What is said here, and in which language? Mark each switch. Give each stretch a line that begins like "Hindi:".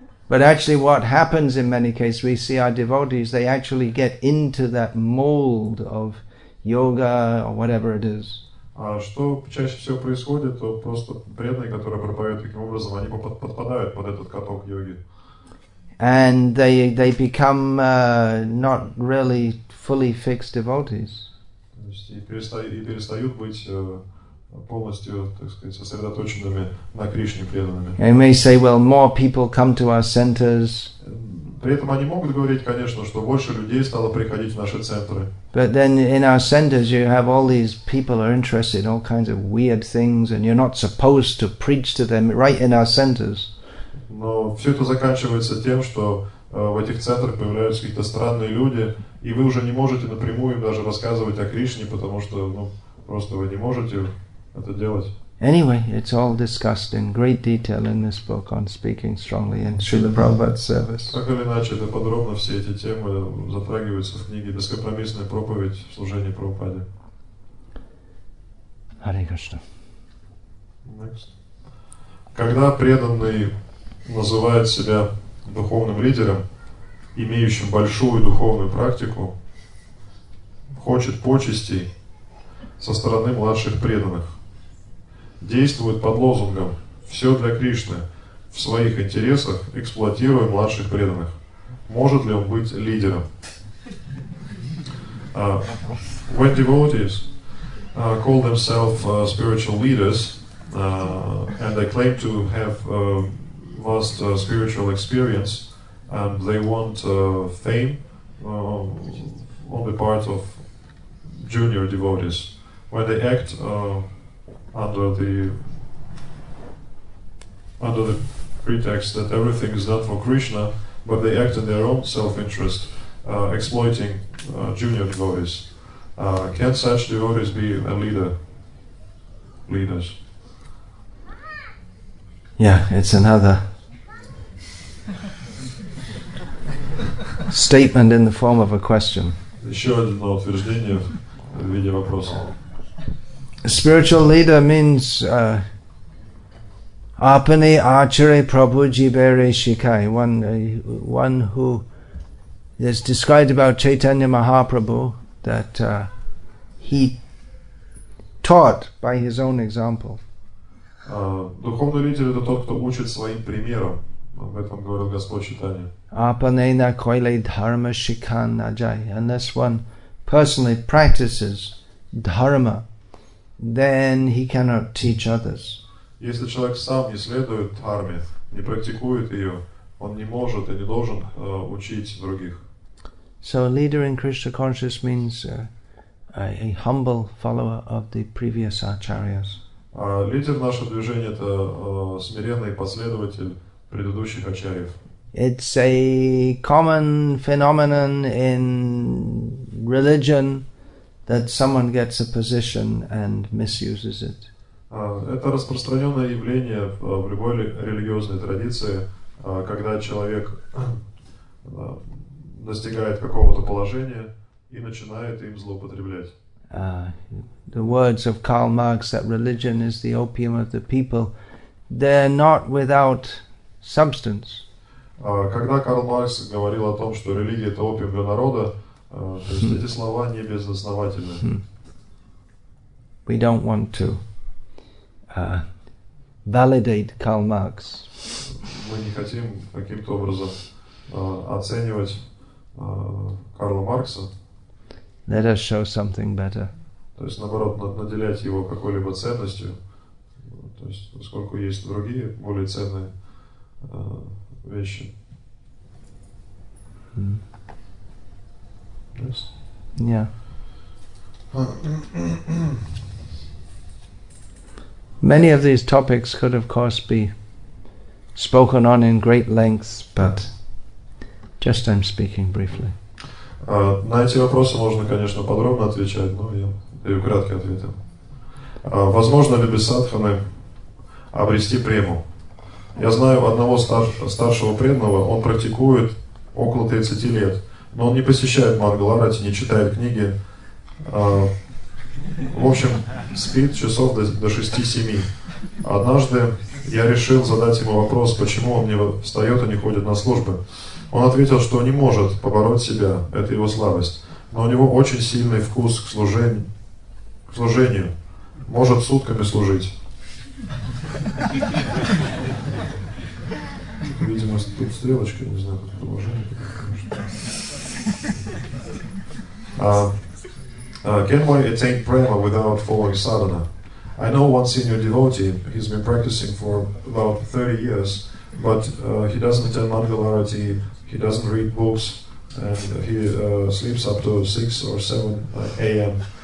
English: But actually what happens in many cases, we see our devotees, they actually get into that mold of yoga or whatever it is.
Russian: А что чаще всего происходит, то просто преданные, которые проповедуют таким образом, они подпадают под этот каток йоги.
English: And they become not really fully fixed devotees.
Russian: То есть и перестают быть полностью, так сказать, сосредоточенными на Кришне преданными.
English: They may say, well, more people come to our centers.
Russian: При этом они могут говорить, конечно, что больше людей стало приходить в наши центры.
English: But then in our centers you have all these people are interested in all kinds of weird things, and you're not supposed to preach to them right in our centers.
Russian: Но все это заканчивается тем, что в этих центрах появляются какие-то странные люди, и вы уже не можете напрямую им даже рассказывать о Кришне, потому что, ну, просто вы не можете это делать.
English: Anyway, it's all discussed in great detail in this book on speaking strongly in Srila Prabhupada's service.
Russian: Так или иначе, это подробно все эти темы затрагиваются в книге «Бескомпромиссная проповедь в служении Прабхупаде».
English: Hare Krishna. Next.
Russian: Когда преданный называет себя духовным лидером, имеющим большую духовную практику, хочет почестей со стороны младших преданных, действует под лозунгом «Все для Кришны», в своих интересах эксплуатируя младших преданных. Может ли он быть лидером?
English: When devotees call themselves spiritual leaders and they claim to have vast spiritual experience and they want fame on the part of junior devotees, when they act under the pretext that everything is done for Krishna, but they act in their own self-interest, exploiting junior devotees. Can such devotees be a leader? Leaders. Yeah, it's another statement in the form of a question.
Russian: Еще одно утверждение в виде вопроса.
English: A spiritual leader means
Bangla: apane achare prabhu jibere shikai,
English: one who is described about Chaitanya Mahaprabhu that he taught by his own example.
Russian: Духовный лидер — это тот, кто учит своим примером. Об этом говорил Господь Чайтанья.
Bangla: Apane na koile dharma shikan na jai,
English: unless one personally practices dharma, then he cannot teach others.
Russian: Если человек сам не следует дхарме, не практикует ее, он не может и не должен учить других.
English: So a leader in Krishna consciousness means a humble follower of the previous acharyas.
Russian: Лидер нашего движения — это смиренный последователь предыдущих ачарьев.
English: It's a common phenomenon in religion that someone gets a position and misuses it.
Russian: Это распространенное явление в любой религиозной традиции, когда человек достигает какого-то положения и начинает им злоупотреблять.
English: The words of Karl Marx that religion is the opium of the people, they're not without substance.
Russian: Когда Карл Маркс говорил о том, что религия — это опиум для народа, то есть эти слова не безосновательны.
English: We don't want to validate Karl Marx.
Russian: Мы не хотим каким-то образом оценивать Карла Маркса.
English: Let us show something better.
Russian: То есть, наоборот, наделять его какой-либо ценностью, то есть, поскольку есть другие, более ценные вещи.
English: Yes? Yeah. Many of these topics could, of course, be spoken on in great length, but just I'm speaking briefly.
Russian: На эти вопросы можно, конечно, подробно отвечать, но я даю краткий ответ. Возможно ли без садханы обрести прему? Я знаю одного старшего преданного, он практикует около 30 лет, но он не посещает Мангаларати, не читает книги. В общем, спит часов до 6-7. Однажды я решил задать ему вопрос, почему он не встает и не ходит на службы. Он ответил, что не может побороть себя, это его слабость, но у него очень сильный вкус к служению, может сутками служить. Видимо, тут стрелочка, не знаю, как положение.
English: Can we attain prema without following sadhana? I know one senior devotee, he's been practicing for about 30 years, but he doesn't attend Mangalarati, he doesn't read books, and he sleeps up to 6 or 7 a.m.